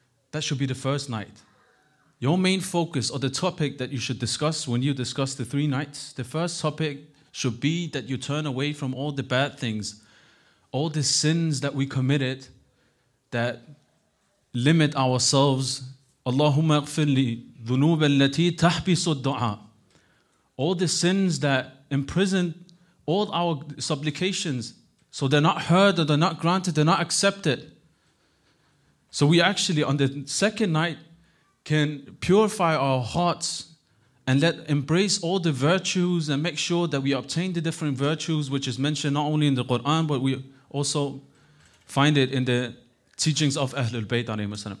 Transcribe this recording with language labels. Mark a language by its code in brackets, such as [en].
[en] That should be the first night. Your main focus or the topic that you should discuss when you discuss the 3 nights, the first topic should be that you turn away from all the bad things, all the sins that we committed that limit ourselves. [ar] Allahumma اغفر لي ذنوب التي تحبس الدعاء. [en] All the sins that imprison all our supplications, so they're not heard or they're not granted, they're not accepted. So we actually, on the second night, can purify our hearts and embrace all the virtues and make sure that we obtain the different virtues, which is mentioned not only in the Quran, but we also find it in the teachings of Ahlul Bayt alayhi wasalam.